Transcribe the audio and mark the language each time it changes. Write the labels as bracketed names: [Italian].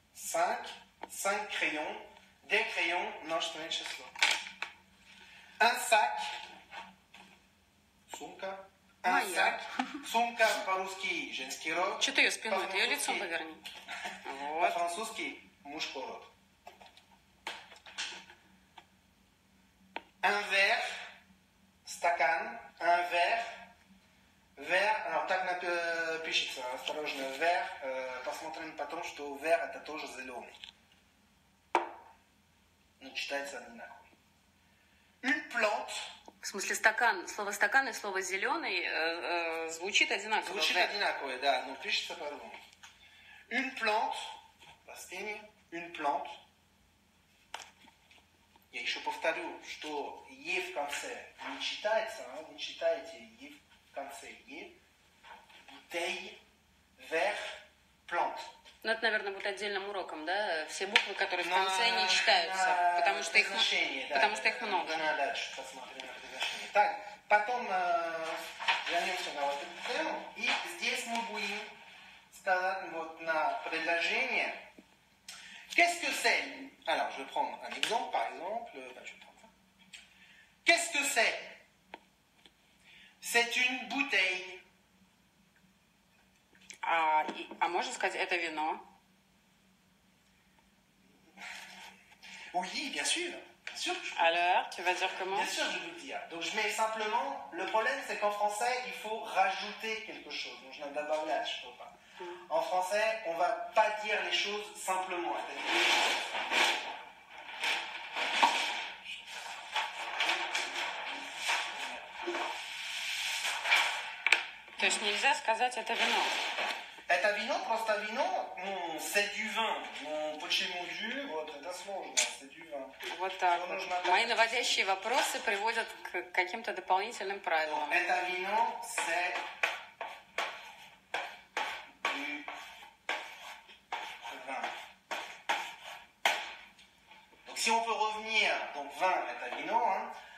[French] 3, 4, 5 crayons, des crayons, non, je te mets chez soi. Un sac, [Russian] сумка, [French] un sac, [Russian] сумка по-русски женский род. Что ты ее спиной, ты ее лицом поверни. По-французски мужской род. [French] Un verre, [Russian] стакан, [French] un verre. [Russian] Вер, [French] alors [Russian] так пишется, осторожно, вер, посмотрим потом, что вер это тоже зеленый. Но читается одинаково. [French] Une plante. [Russian] В смысле стакан, слово стакан и слово зеленый звучит одинаково. Звучит вер. Одинаково, да, но пишется по-другому. [French] Une plante. [Russian] Растение. [French] Une plante. [Russian] Я еще повторю, что е в конце не читается, а не читаете е в конце. Е, бутель, вер, плант. Ну, это, наверное, будет отдельным уроком, да? Все буквы, которые в конце не читаются, потому что их, да, потому что их много. Нужно дальше посмотрим на произношение. Так, потом вернемся на вот эту тему. И здесь мы будем сказать вот на предложение. [French] Qu'est-ce que c'est? Alors, je prends un exemple, par exemple. Qu'est-ce que c'est? C'est une bouteille. [Russian] А можно сказать, это вино? [French] Oui, bien sûr. Bien sûr. Alors, tu vas dire comment? Bien sûr, je vais le dire. Donc, je mets simplement, le problème, c'est qu'en français, il faut rajouter quelque chose. Donc, je n'ai d'abord là, je ne peux pas. En français, on ne va pas dire les choses simplement. [Russian] То есть нельзя сказать это вино. Это вино, просто вино. [French] C'est du vin. [Russian] Почему [French] du? [Russian] Вот это сложно. [French] C'est du vin. [Russian] Вот так. Мои наводящие вопросы приводят к каким-то дополнительным правилам. Это вино, [French] c'est du vin. Donc, si on peut revenir, donc vin [Russian] это вино, [French] hein.